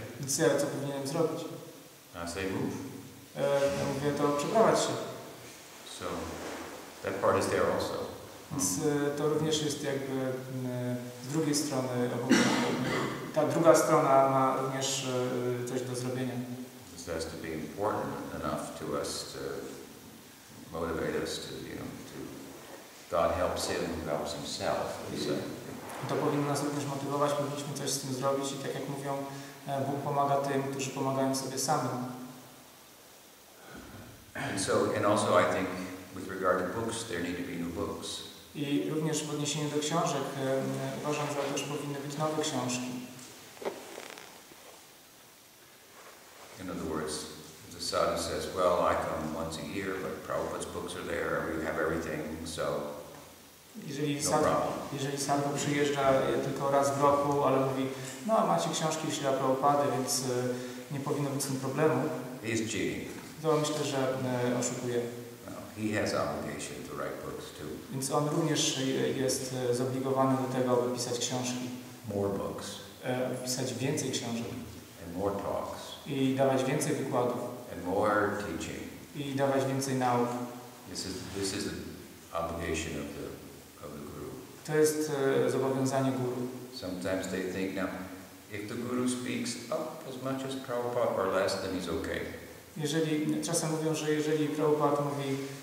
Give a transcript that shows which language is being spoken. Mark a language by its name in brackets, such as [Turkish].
[Polish] Więc ja co powinienem zrobić? [English] I say, move. [Polish] Mówię to, przeprowadź się. [English] So that part is there also. [Polish] Więc to również jest jakby z drugiej strony, ta druga strona ma również coś do zrobienia. [English] It has to be important enough to us to motivate us to, you know, to God helps him who helps himself. [Polish] To powinno nas również motywować, powinniśmy coś z tym zrobić i tak jak mówią, Bóg pomaga tym, którzy pomagają sobie samym. [English] And also I think with regard to books, there need to be new books. [Polish] I również w odniesieniu do książek uważam, że też powinny być nowe książki. [English] In other words, the sadhu says, well, I come once a year, but Prabhupada's books are there, we have everything, so [Polish] jeżeli no sadhu, problem. Jeżeli sadhu przyjeżdża tylko raz w roku, ale mówi, no, macie książki Śrila Prabhupady, więc nie powinno być z tym problemu. [English] He's cheating. [Polish] To myślę, że oszukuje. [English] No, he has obligation to write books too. [Polish] Więc on również jest zobligowany do tego, aby pisać książki. [English] More books. [Polish] Pisać więcej książek. [English] And more talks. [Polish] I dawać więcej wykładów. [English] And more teaching. [Polish] I dawać więcej nauk. [English] This is an obligation of the guru. [Polish] To jest zobowiązanie guru. [English] Sometimes they think, now, if the guru speaks up as much as Prabhupada or less, then he's okay. [Polish] Jeżeli, czasem mówią, że jeżeli Prabhupada mówi...